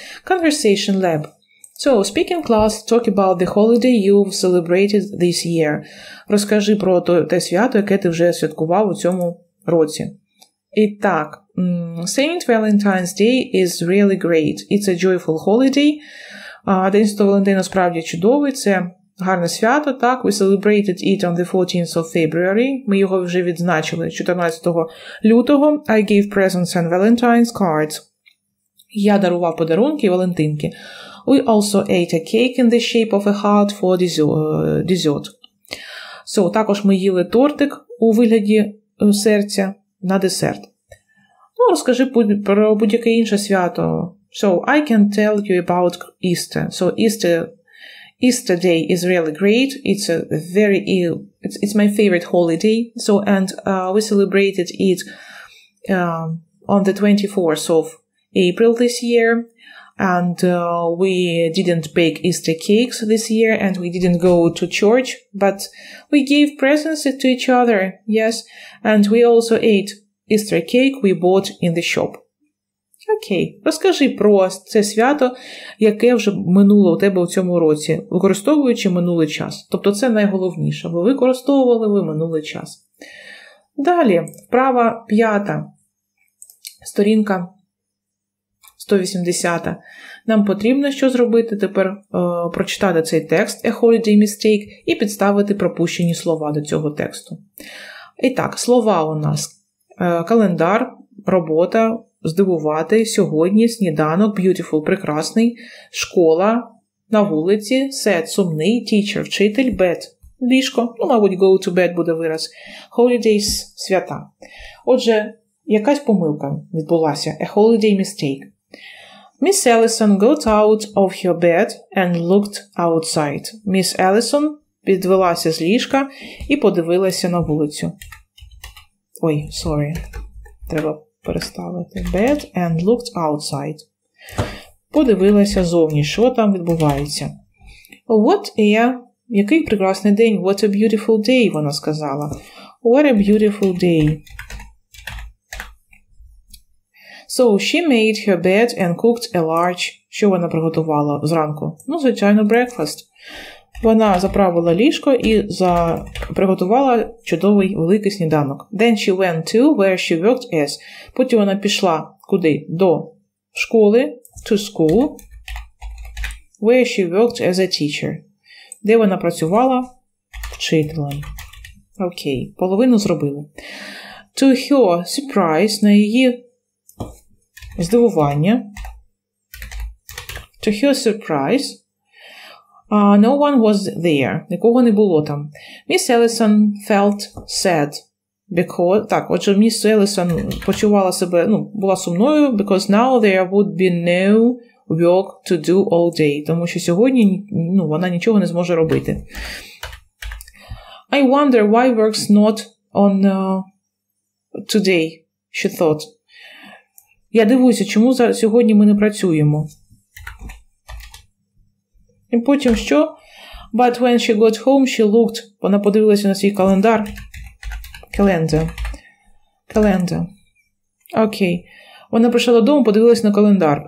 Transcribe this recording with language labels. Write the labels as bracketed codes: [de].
[en] Conversation Lab. So, speaking class, talk about the holiday you've celebrated this year. [uk] Розкажи про те свято, яке ти вже святкував у цьому році. І так, [en] St. Valentine's Day is really great. It's a joyful holiday. [uk] День Святого Валентина справді чудовий, це гарне свято, так. [en] We celebrated it on the 14th of February. [uk] Ми його вже відзначили 14 лютого. [en] I gave presents and Valentine's cards. [uk] Я дарував подарунки і валентинки. [en] We also ate a cake in the shape of a heart for dessert. [uk] So, також ми їли тортик у вигляді серця на десерт. Ну, розкажи про будь-яке інше свято. [en] So, I can tell you about Easter. So, Easter Day is really great. It's a very it's my favorite holiday. So, and we celebrated it on the 24th of April this year. And we didn't bake Easter cakes this year, and we didn't go to church, but we gave presents to each other, yes, and we also ate Easter cake we bought in the shop. [uk] Окей, розкажи про це свято, яке вже минуло у тебе у цьому році, використовуючи минулий час. Тобто це найголовніше, ви використовували ви минулий час. Далі, права п'ята, сторінка 180. Нам потрібно що зробити тепер? Прочитати цей текст «A holiday mistake» і підставити пропущені слова до цього тексту. І так, слова у нас. Календар, робота, здивувати, сьогодні, сніданок, beautiful, прекрасний, школа, на вулиці, sad, сумний, teacher, вчитель, bed, ліжко, ну, мабуть, go to bed буде вираз, holidays, свята. Отже, якась помилка відбулася. «A holiday mistake». [en] Miss Allison got out of her bed and looked outside. [uk] Miss Allison підвелася з ліжка і подивилася на вулицю. Ой, sorry. Треба переставити. [en] Bed and looked outside. [uk] Подивилася зовні, що там відбувається. [en] What a... [uk] Який прекрасний день. [en] What a beautiful day, [uk] вона сказала. [en] What a beautiful day. So, she made her bed and cooked a large... [uk] Що вона приготувала зранку? Ну, звичайно, breakfast. Вона заправила ліжко і приготувала чудовий великий сніданок. [en] Then she went to where she worked as. [uk] Потім вона пішла куди? До школи. [en] To school. Where she worked as a teacher. [uk] Де вона працювала? Вчителем. Окей, половину зробили. [en] To her surprise, [uk] на її... Здивування. [en] To her surprise, no one was there. [uk] Нікого не було там. [en] Miss Allison felt sad because... [uk] Так, отже, Miss Allison почувала себе, ну, була сумною, [en] because now there would be no work to do all day. [uk] Тому що сьогодні, ну, вона нічого не зможе робити. [en] I wonder why work's not on today, she thought. [uk] Я дивуюся, чому сьогодні ми не працюємо. І потім що? [en] But when she got home, she looked. [uk] Вона подивилася на свій календар. Календар. Окей. Вона прийшла додому, подивилася на календар.